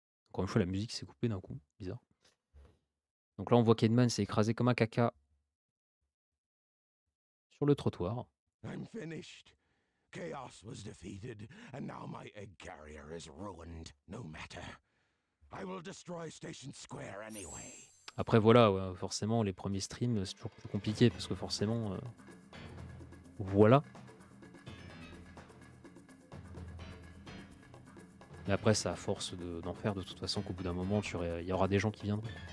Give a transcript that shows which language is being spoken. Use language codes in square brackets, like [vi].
[fr] Encore une fois, la musique s'est coupée d'un coup. Bizarre. Donc là, on voit qu'Edman s'est écrasé comme un caca sur le trottoir. [en] I'm finished. Chaos was defeated, and now my egg carrier is ruined. No matter. I will destroy Station Square anyway. [fr] Après, voilà, ouais, forcément, les premiers streams, c'est toujours plus compliqué parce que forcément. Voilà. Mais après, c'est à force d'en faire, de toute façon, qu'au bout d'un moment, il y aura des gens qui viendront.